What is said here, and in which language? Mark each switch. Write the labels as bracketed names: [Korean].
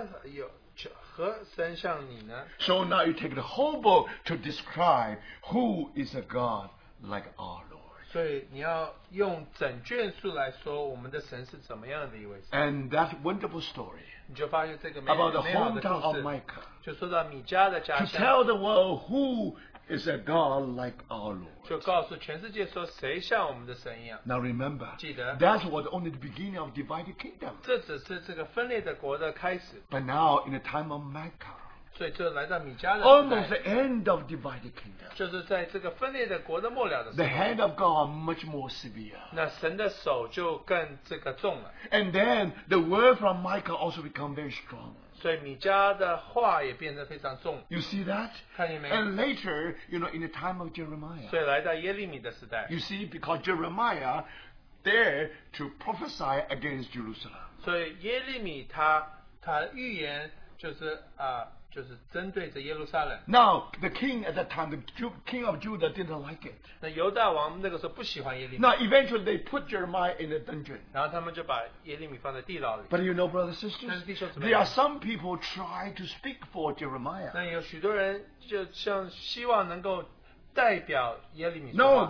[Chinese] 这个米迦的祷告的时候有何神像你呢? [English] So now you take the whole book to describe who is a God like our Lord. [Chinese] 所以你要用整卷书来说我们的神是怎么样的一位神, [English] and that wonderful story, [Chinese] 你就发现这个美, [English] about the hometown of Micah, [Chinese] 就说到米迦的家乡, [English] to tell the world who is a God like our Lord, [Chinese] 就告诉全世界说谁像我们的神一样。 [English] Now remember, [Chinese] 记得, [English] that was only the beginning of divided kingdom, [Chinese] 这只是这个分裂的国的开始。 [English] But now in the time of Micah, [Chinese] 所以就来到米迦的时代, [English] almost the end of divided kingdom, [Chinese] 就是在这个分裂的国的末了的时候, [English] the hand of God much more severe, [Chinese] 那神的手就更这个重了。 [English] And then the word from Micah also become very strong, [Chinese] 所以米迦的话也变得非常重。 [English] You see that? [Chinese] 看见没? [English] And later, you know, in the time of Jeremiah, [Chinese] 所以来到耶利米的时代, [English] you see, because Jeremiah dared to prophesy against Jerusalem, [Chinese] 所以耶利米他预言就是 [English] Now, the king at that time, the king of Judah didn't like it. [Chinese] 那犹大王那个时候不喜欢耶利米。 [English] Now, eventually, they put Jeremiah in a dungeon. [Chinese] 然后他们就把耶利米放在地牢里。 [English] But you know, brothers and sisters, [Chinese] 但是弟兄姊妹, [English] there are some people try to speak for Jeremiah. [Chinese] 那有许多人就像希望能够代表耶利米说话。